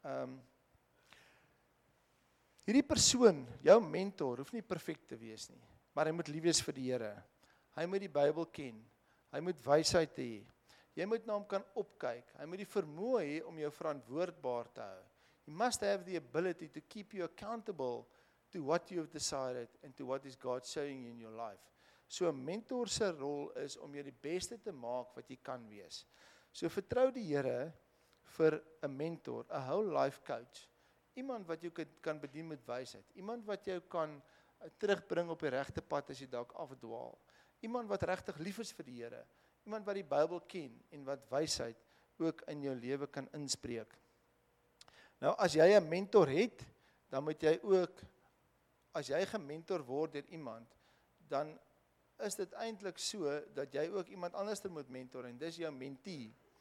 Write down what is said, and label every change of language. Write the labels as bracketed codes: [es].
[af] Hierdie persoon, jou mentor, hoef nie perfek te wees nie, maar hy moet lief wees vir die Here. Hy moet die Bybel ken. Hy moet wysheid hê. Jy moet na hom kan opkyk. Hy moet die vermoë hê om jou verantwoordbaar te hou. [en] He must have the ability to keep you accountable to what you have decided and to what is God saying in your life. [af] So 'n mentor se rol is om jou die beste te maak wat jy kan wees. So vertrou die Here vir 'n mentor, 'n [en] whole life coach. [af] Iemand wat jou kan bedien met wysheid. Iemand wat jou kan terugbring op die regte pad as jy dalk afdwaal. Iemand wat regtig lief is vir die Here. Iemand wat die Bybel ken en wat wysheid ook in jou lewe kan inspreek. Nou as jy 'n mentor het, dan moet jy ook, as jy gementor word deur iemand, dan is dit eintlik so dat jy ook iemand anders moet mentor en dis jou mentee.